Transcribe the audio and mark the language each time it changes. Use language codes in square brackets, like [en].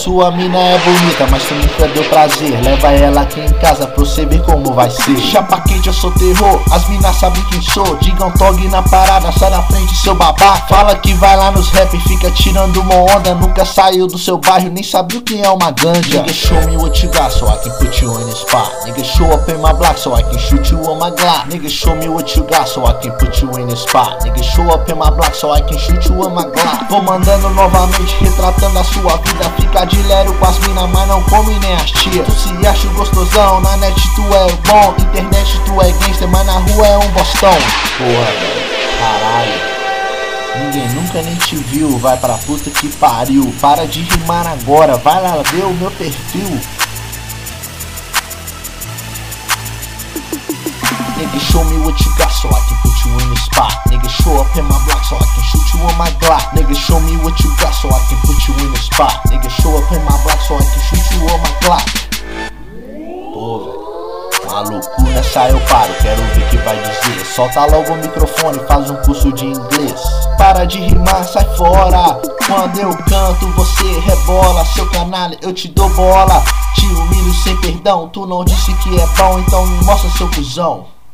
[pt] Sua mina é bonita, mas tu nunca deu prazer. Leva ela aqui em casa pra você ver como vai ser. Chapa quente, eu sou terror, as minas sabem quem sou. Diga um tog na parada, sai na frente seu babaca. Fala que vai lá nos rap, fica tirando uma onda. Nunca saiu do seu bairro, nem sabia quem é uma ganja. [en] Nigga show me what you got, so I can put you in a spot. Nigga show up in my block, so I can shoot you on my glock. Nigga show me what you got, so I can put you in a spot. Show up in my block, so I can shoot you on my glock. [pt] Vou mandando novamente, retratando a sua vida. Fica de lero com as mina, mas não come nem as tia. Tu se acha gostosão, na net tu é bom. Internet tu é gangster, mas na rua é um bostão. Porra, caralho. Ninguém nunca nem te viu, vai pra puta que pariu. Para de rimar agora, vai lá ver o meu perfil. [en] Nigga show me what you got, so I can put you in the spot. Nigga show up in my block, so I can shoot you on my glock. Nigga show me what you got, so I can put you in the spot. Nigga show up in my block, so I can shoot you on my glock. [pt] Pô, velho, maluco, nessa eu paro, quero ver o que vai dizer. Solta logo o microfone, faz um curso de inglês. Para de rimar, sai fora. Quando eu canto, você rebola. Seu canalha, eu te dou bola. Te humilho sem perdão, tu não disse que é bom, então me mostra seu cuzão.